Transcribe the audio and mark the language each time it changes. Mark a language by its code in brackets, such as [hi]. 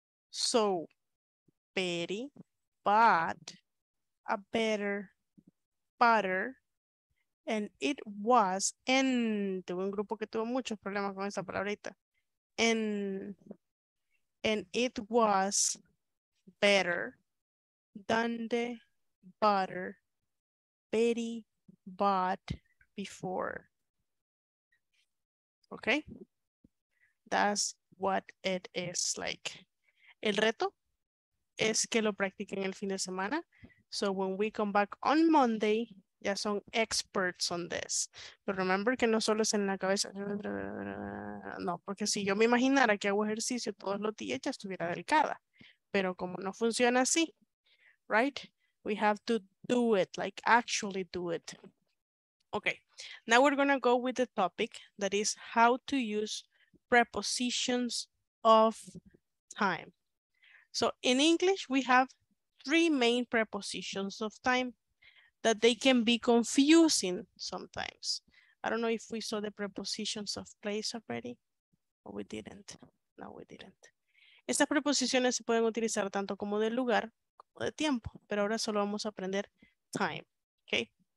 [en] So Betty bought a better butter and it was [es] en. Tuve un grupo que tuvo muchos problemas con esa palabrita. [en] And it was better than the butter Betty bought before. Okay? That's what it is like. [es] El reto es que lo practiquen el fin de semana. [en] So when we come back on Monday, [es] ya son [en] experts on this. But remember [es] que no solo es en la cabeza. No, porque si yo me imaginara que hago ejercicio todos los días, ya estuviera delgada. Pero como no funciona así, right? [en] We have to do it, like actually do it. Okay, now we're going to go with the topic that is how to use prepositions of time. So in English, we have three main prepositions of time that they can be confusing sometimes. I don't know if we saw the prepositions of place already, or we didn't. No, we didn't. [es] Estas preposiciones se pueden utilizar tanto como del lugar como de tiempo, pero ahora solo vamos a aprender time, okay?